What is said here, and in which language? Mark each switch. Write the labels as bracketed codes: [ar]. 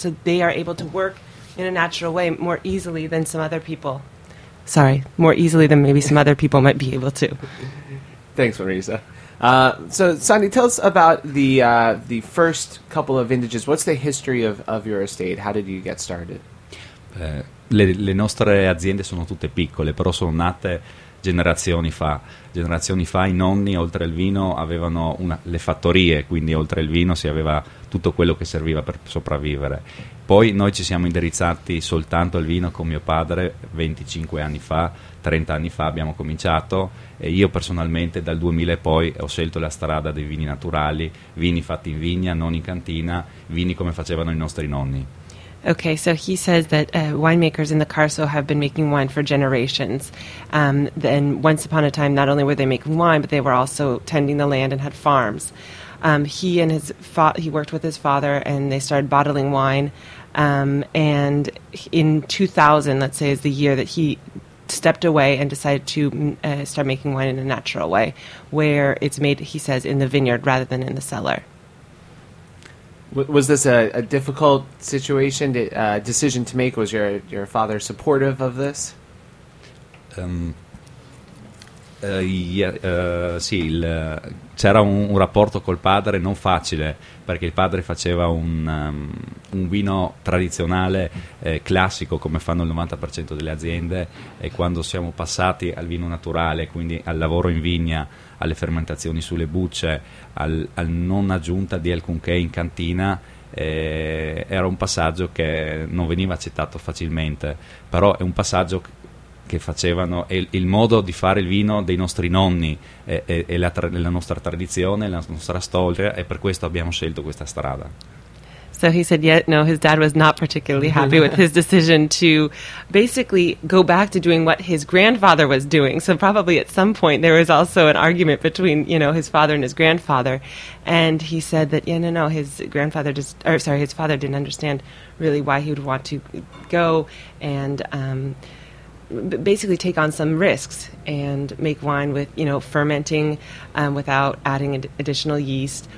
[en] So they are able to work in a natural way more easily than some other people. Sorry, more easily than maybe some other people might be able to. Thanks, Marisa. So, Sandy, tell us about the first couple of vintages. What's the history of your estate? How did you get started? [it] Le nostre aziende sono tutte piccole, però sono nate generazioni fa. Generazioni fa i nonni, oltre al vino, avevano le fattorie, quindi oltre al vino si aveva tutto quello che serviva per sopravvivere. Poi noi ci siamo indirizzati soltanto al vino con mio padre 25 anni fa, 30 anni fa abbiamo cominciato, e io personalmente dal 2000 e poi ho scelto la strada dei vini naturali, vini fatti in vigna, non in cantina, vini come facevano i nostri nonni. [en] Okay, so he says that winemakers in the Carso have been making wine for generations. Then once upon a time, not only were they making wine, but they were also tending the land and had farms. He worked with his father, and they started bottling wine. And in 2000, let's say, is the year that he stepped away and decided to start making wine in a natural way, where it's made, he says, in the vineyard rather than in the cellar. Was this a difficult situation, decision to make? Was your father supportive of this? [it] Sì, c'era un rapporto col padre non facile, perché il padre faceva un vino tradizionale, classico, come fanno il 90% delle aziende, e quando siamo passati al vino naturale, quindi al lavoro in vigna, alle fermentazioni sulle bucce, al non aggiunta di alcunché in cantina, era un passaggio che non veniva accettato facilmente, però è un passaggio che facevano, il modo di fare il vino dei nostri nonni è la nostra tradizione, la nostra storia, e per questo abbiamo scelto questa strada. [en] So he said, yeah, no, his dad was not particularly happy with his decision to basically go back to doing what his grandfather was doing. So probably at some point there was also an argument between, you know, his father and his grandfather. And he said that, yeah, no, his father didn't understand really why he would want to go and basically take on some risks and make wine with, you know, fermenting without adding additional yeast.